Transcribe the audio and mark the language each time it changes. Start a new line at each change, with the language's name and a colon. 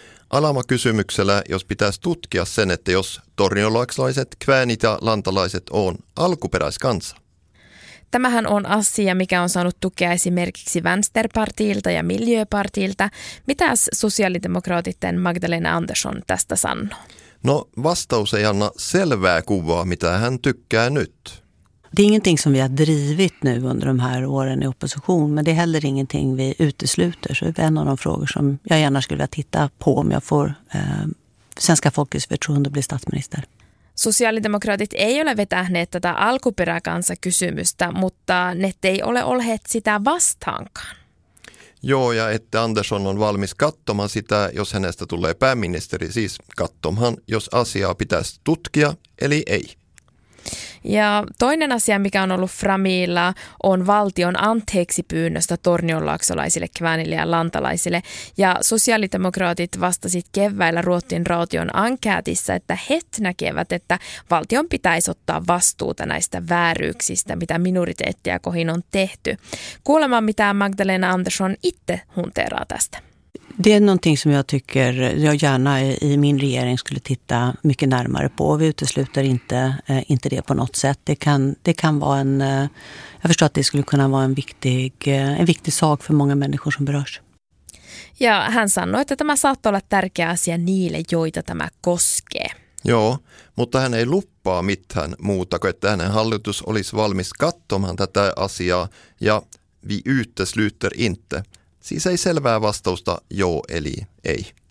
Finnish: Alama kysymyksellä, jos pitäisi tutkia sen, että jos torniolaaksalaiset, kväänit ja lantalaiset on alkuperäiskansa. Tämähän on asia, mikä on saanut tukea esimerkiksi Vänsterpartiilta ja Miljöpartiilta. Mitäs sosiaalidemokraatitten Magdalena Andersson tästä sanoo? No vastaus ei anna selvää kuvaa, mitä hän tykkää nyt.
Swedish: Det är ingenting som vi har drivit nu under de här åren i opposition, men det är heller ingenting vi utesluter. Så det är en av de frågor som jag gärna skulle vilja titta på om jag får svenska folkets förtroende att bli statsminister.
Finnish: Sosialdemokraatit ei ole vetähneet tätä alkuperäkansa kysymystä, mutta ne ei ole olleet sitä vastaankaan. Joo, ja että Andersson on valmis katsomaan sitä, jos hänestä tulee pääministeri, siis katsomaan, jos asiaa pitäisi tutkia, eli ei. Ja toinen asia, mikä on ollut framilla, on valtion anteeksipyynnöstä tornionlaaksolaisille, kväänille ja lantalaisille. Ja sosiaalidemokraatit vastasit keväällä Ruotin raution enkäätissä, että he näkevät, että valtion pitäisi ottaa vastuuta näistä vääryyksistä, mitä minoriteettia kohin on tehty. Kuulemaan, mitä Magdalena Andersson itse hunteraa tästä.
Swedish: Det är någonting som jag tycker jag gärna i min regering skulle titta mycket närmare på. Vi utesluter inte det på något sätt. Det kan vara en, jag förstår att det skulle kunna vara en viktig sak för många människor som berörs.
Finnish: Ja, han sanoi, että tämä saattaa olla tärkeä asia niille, joita tämä koskee. Joo, mutta hän ei luppaa mitään muuta kuin, että hänen hallitus olisi valmis katsomaan tätä asiaa ja
Swedish: vi utesluter inte.
Finnish: Siis ei selvää vastausta joo eli ei.